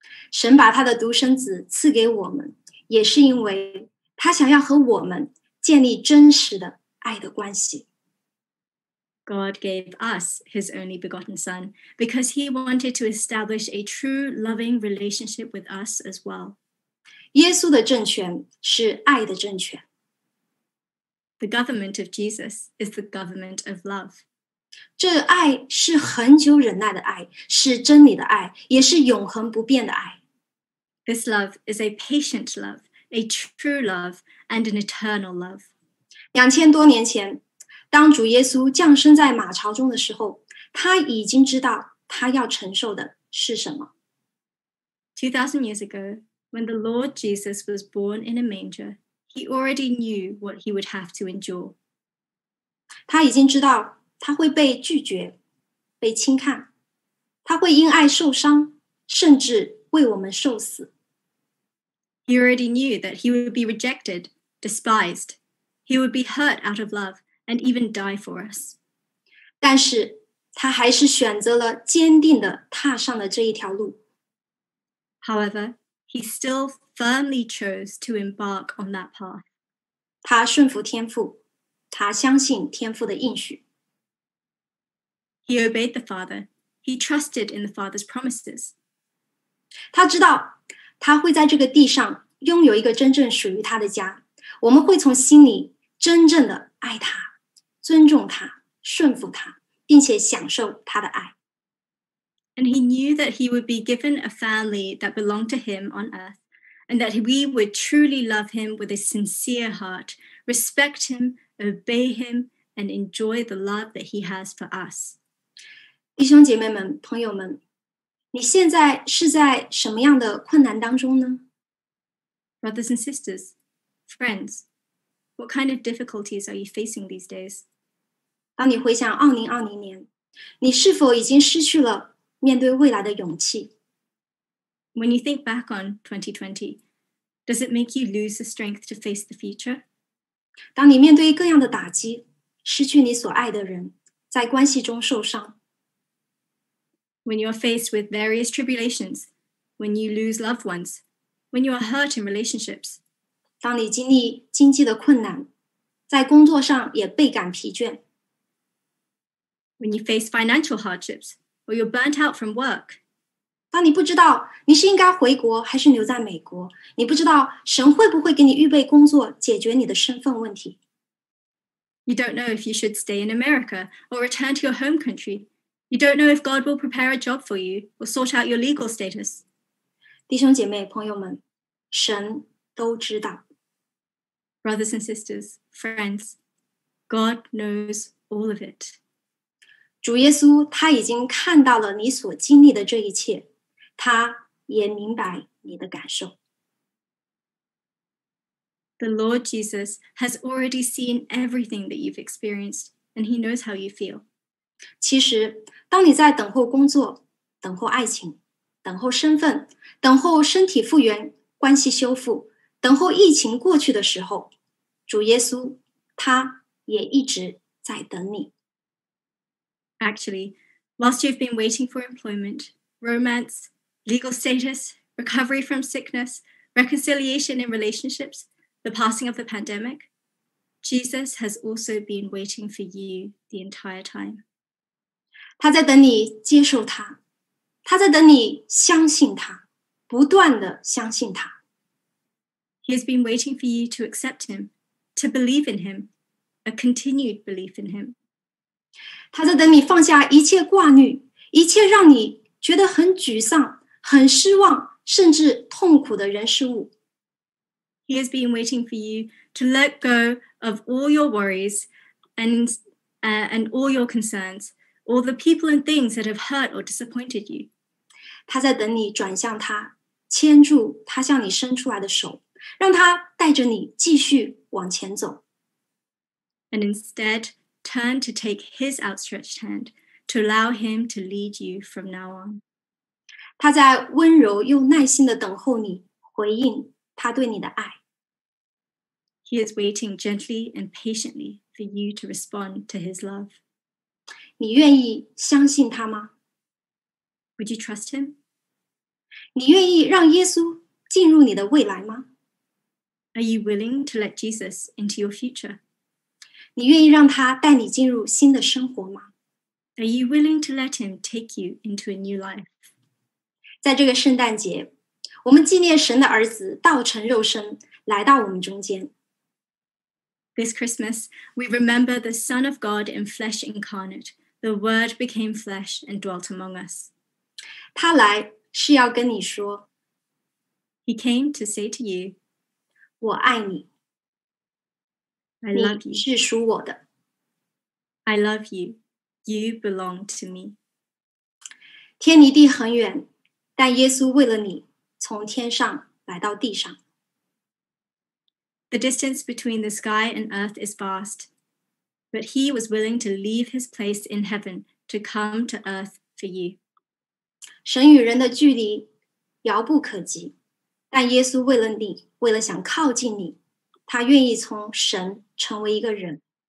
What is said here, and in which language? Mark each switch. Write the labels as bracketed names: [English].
[Chinese] 神把他的独生子赐给我们，也是因为他想要和我们建立真实的爱的关系。 [English] God gave us his only begotten son because he wanted to establish a true loving relationship with us as well. [Chinese] 耶稣的政权是爱的政权。 [English] The government of Jesus is the government of love. [Chinese] 这爱是恒久忍耐的爱，是真理的爱，也是永恒不变的爱。 [English] This love is a patient love, a true love, and an eternal love. [Chinese] 两千多年前当主耶稣降生在马槽中的时候，他已经知道他要承受的是什么。 [English] 2,000 years ago, when the Lord Jesus was born in a manger, he already knew what he would have to endure. [Chinese] 他已经知道他会被拒绝，被轻看，他会因爱受伤，甚至为我们受死。 [English] He already knew that he would be rejected, despised. He would be hurt out of love. And even die for us. [Chinese] 但是他还是选择了坚定地踏上了这一条路。 [English] However, he still firmly chose to embark on that path. [Chinese] 他顺服天父，他相信天父的应许。 [English] He obeyed the Father. He trusted in the Father's promises. [Chinese] 他知道他会在这个地上拥有一个真正属于他的家。我们会从心里真正地爱他。尊重他，顺服他，并且享受他的爱。 [English] And he knew that he would be given a family that belonged to him on earth, and that we would truly love him with a sincere heart, respect him, obey him, and enjoy the love that he has for us. [Chinese] 弟兄姐妹们，朋友们，你现在是在什么样的困难当中呢？ [English] Brothers and sisters, friends,What kind of difficulties are you facing these days? [Chinese] 当你回想2020年，你是否已经失去了面对未来的勇气？ [English] When you think back on 2020, does it make you lose the strength to face the future? [Chinese] 当你面对各样的打击，失去你所爱的人，在关系中受伤。 [English] When you are faced with various tribulations, when you lose loved ones, when you are hurt in relationships, [Chinese] 当你经历经济的困难，在工作上也倍感疲倦。 [English] When you face financial hardships, or you're burnt out from work. [Chinese] 当你不知道你是应该回国还是留在美国，你不知道神会不会给你预备工作解决你的身份问题。 [English] You don't know if you should stay in America or return to your home country. You don't know if God will prepare a job for you or sort out your legal status. [Chinese] 弟兄姐妹，朋友们，神都知道。 [English] Brothers and sisters, friends, God knows all of it. [Chinese] 主耶稣他已经看到了你所经历的这一切，他也明白你的感受。 [English] The Lord Jesus has already seen everything that you've experienced, and he knows how you feel. [Chinese] 其实，当你在等候工作、等候爱情、等候身份、等候身体复原、关系修复、等候疫情过去的时候，主耶稣他也一直在等你。 [English] Actually, whilst you've been waiting for employment, romance, legal status, recovery from sickness, reconciliation in relationships, the passing of the pandemic, Jesus has also been waiting for you the entire time. [Chinese] 他在等你接受他，他在等你相信他，不断的相信他。 [English] He has been waiting for you to accept him, to believe in him, a continued belief in him. [Chinese] 他在等你放下一切挂虑，一切让你觉得很沮丧、很失望，甚至痛苦的人事物。 [English] He has been waiting for you to let go of all your worries and all your concerns, all the people and things that have hurt or disappointed you. [Chinese] 他在等你转向他，牵住他向你伸出来的手，让他带着你继续往前走。 [English] And instead, turn to take his outstretched hand to allow him to lead you from now on. [Chinese] 他在温柔又耐心地等候你，回应他对你的爱。 [English] He is waiting gently and patiently for you to respond to his love. [Chinese] 你愿意相信他吗？ [English] Would you trust him? [Chinese] 你愿意让耶稣进入你的未来吗？ [English] Are you willing to let Jesus into your future? [Chinese] 你愿意让他带你进入新的生活吗？ [English] Are you willing to let him take you into a new life? [Chinese] 在这个圣诞节，我们纪念神的儿子道成肉身来到我们中间。 [English] This Christmas, we remember the Son of God in flesh incarnate. The Word became flesh and dwelt among us. [Chinese] 他来是要跟你说。 [English] He came to say to you, [Chinese] 我爱你。 [English] I love you. [Chinese] 你是属我的。 [English] I love you. You belong to me. [Chinese] 天离地很远，但耶稣为了你从天上来到地上。 [English] The distance between the sky and earth is vast, but he was willing to leave his place in heaven to come to earth for you. [Chinese] 神与人的距离遥不可及，但耶稣为了你，为了想靠近你，他愿意从神成为一个人。